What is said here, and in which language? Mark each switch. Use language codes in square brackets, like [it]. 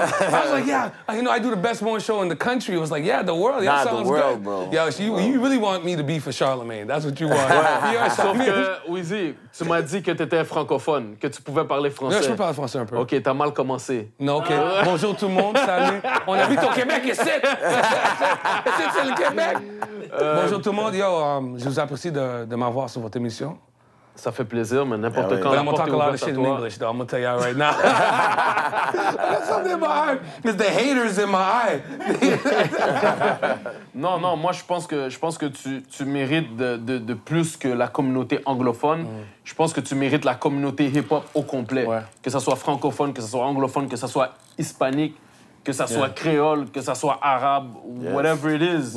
[en] I was like, yeah, you know, I do the best morning show in the country. It was like, yeah, the world. Yeah, not the world, good. Bro. Yo, you really want me to be for Charlemagne. That's what you want. [fr] Weezy, tu m'as dit que t'étais francophone, que tu pouvais parler français. Non, je peux parler français un peu. OK, t'as mal commencé. Non, OK. Bonjour tout le monde, salut. On habite au Québec, et c'est le Québec. Bonjour tout le monde. Yo, je vous apprécie de m'avoir sur votre émission. Ça fait plaisir, mais n'importe quand. [en] But I'm gonna talk a lot of shit in English, though. I'm gonna tell y'all right now. I got something in my eye. It's the haters in my eye. [fr] Non, moi, je pense que tu mérites de plus que la communauté anglophone. Mm. Je pense que tu mérites la communauté hip-hop au complet. Ouais. Que ça soit francophone, que ça soit anglophone, que ça soit hispanique, que ça soit créole, que ça soit arabe, [en] whatever it is.